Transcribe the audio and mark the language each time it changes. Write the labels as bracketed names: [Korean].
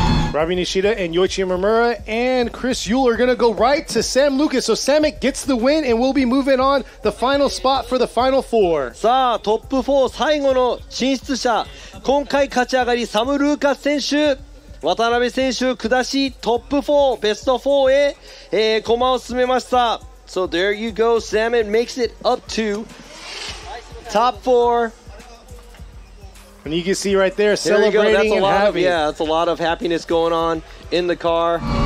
[English] Ravi Nishida and Yoichi Murmura and Chris Yule are going to go right to Sam Lucas. So SAMMIT gets the win and we'll be moving on the final spot for the final four. [Japanese] さあ、トップ4最後の進出者。今回勝ち上がり、サム・ルーカス選手、渡辺選手を下し、トップ4、ベスト4へ、駒を進めました。 [English] So there you go, SAMMIT makes it up to top 4. And you can see right there, celebrating and happy. Yeah, that's a lot of happiness going on in the car.